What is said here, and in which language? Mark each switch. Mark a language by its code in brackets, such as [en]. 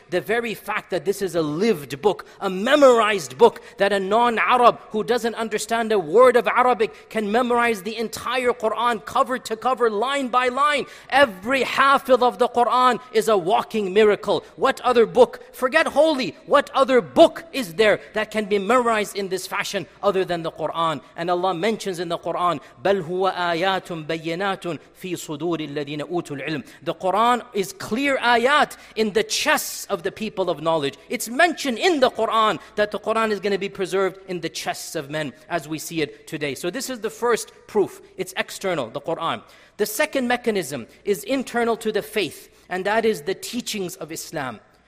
[en] The very fact that this is a lived book, a memorized book, that a non-Arab who doesn't understand a word of Arabic can memorize the entire Quran cover to cover, line by line. Every hafiz of the Quran is a walking miracle. What other book, forget holy, what other book is there that can be memorized in this fashion other than the Quran? And Allah mentions in the Quran, [ar] بَلْ هُوَ آيَاتٌ بَيِّنَاتٌ فِي صُدُورِ الَّذِينَ أُوتُوا الْعِلْمِ. [en] The Quran is clear ayat in the chests of the people of knowledge. It's mentioned in the Quran that the Quran is going to be preserved in the chests of men as we see it today. So this is the first proof. It's external, the Quran. The second mechanism is internal to the faith, and that is the teachings of Islam.